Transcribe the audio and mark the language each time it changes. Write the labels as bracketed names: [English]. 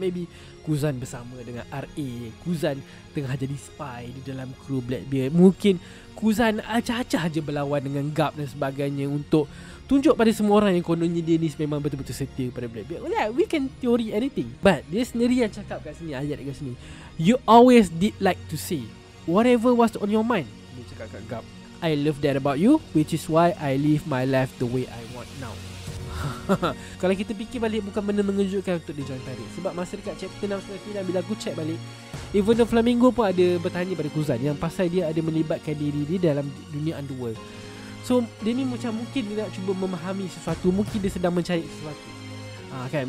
[English] Maybe [Malay] Kuzan bersama dengan RA. Kuzan tengah jadi spy di dalam kru Blackbeard. Mungkin Kuzan acah-acah je berlawan dengan Garp dan sebagainya untuk tunjuk pada semua orang yang kononnya dia ni memang betul-betul setia pada Blackbeard. [English] Well, yeah, we can theory anything. [Malay] But dia sendiri yang cakap kat sini, ayat kat sini, [English] "You always did like to say whatever was on your mind," [Malay] dia cakap kat Garp. [English] "I love that about you, which is why I live my life the way I want now." [Malay] Kalau kita fikir balik, bukan benda mengejutkan untuk dia join Pirate. Sebab masa dekat chapter 699, bila aku check balik, [English] even the [Malay] Flamingo pun ada bertanya pada Kuzan yang pasal dia ada melibatkan diri dia dalam dunia underworld. So dia ni macam mungkin dia nak cuba memahami sesuatu. Mungkin dia sedang mencari sesuatu, kan?